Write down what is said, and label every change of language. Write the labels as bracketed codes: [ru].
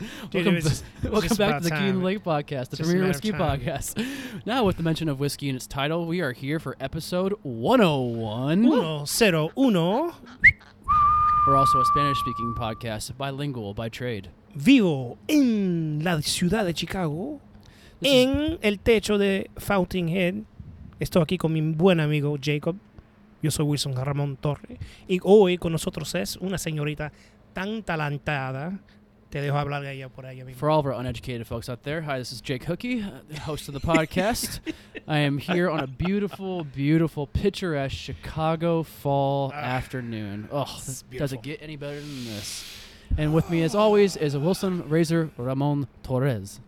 [en] Dude, welcome back to the Keen Lake Podcast, the premier whiskey podcast. Now, with the mention of whiskey in its title, we are here for episode 101. [es] Uno, cero, uno. [en] We're also a Spanish-speaking podcast, bilingual by trade. [es] Vivo en la ciudad de Chicago, en el techo de Fountainhead. Estoy aquí con mi buen amigo Jacob. Yo soy Wilson Ramón Torre. Y hoy con nosotros es una señorita tan talentada. Te dejo hablar de ella por ahí. [en] For all of our uneducated folks out there, hi, this is Jake Hookie, the host of the podcast. I am here on a beautiful, beautiful, picturesque Chicago fall afternoon. Oh, does it get any better than this? And with me, as always, is a Wilson Razor Ramon Torres.